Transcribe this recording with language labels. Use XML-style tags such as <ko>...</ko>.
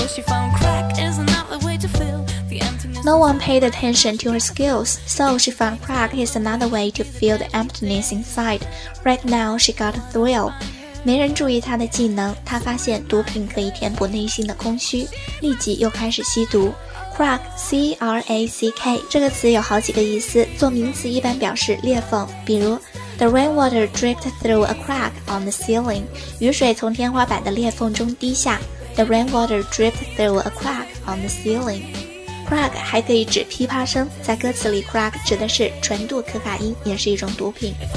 <en>No one paid attention to her skills, so she found crack is another way to fill the emptiness inside. Right now, she got a thrill.</en> <zh>没人注意她的技能，她发现毒品可以填补内心的空虚，立即又开始吸毒。 Crack, C-R-A-C-K, 这个词有好几个意思，做名词一般表示裂缝，比如</zh> <en>The rainwater dripped through a crack on the ceiling,</en> <zh>雨水从天花板的裂缝中滴下。</zh> <en>The rainwater dripped through a crack on the ceiling.</en> <zh>Crack 还可以指噼啪声，在歌词里 crack 指的是纯度可卡因，也是一种毒品。</zh>